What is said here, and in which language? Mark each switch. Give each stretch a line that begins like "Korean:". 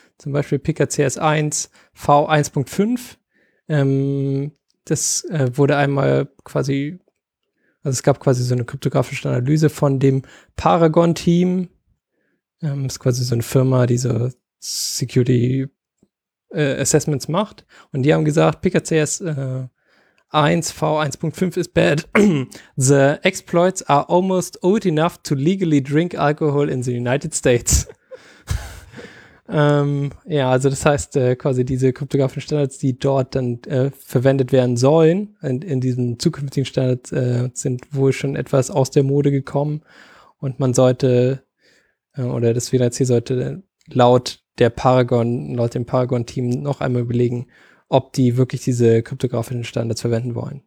German: Zum Beispiel PKCS1 V1.5. Das wurde einmal quasi, also es gab quasi so eine kryptografische Analyse von dem Paragon-Team. Das ist quasi so eine Firma, die so Security Assessments macht. Und die haben gesagt, PKCS 1 V1.5 ist bad.
English: The exploits are almost old enough to legally drink alcohol in the United States.
German: ja, also das heißt, quasi diese kryptografischen Standards, die dort dann verwendet werden sollen, in diesen zukünftigen Standards, sind wohl schon etwas aus der Mode gekommen. Und man sollte, oder das W3C sollte laut dem Paragon-Team noch einmal überlegen, ob die wirklich diese kryptografischen Standards verwenden wollen.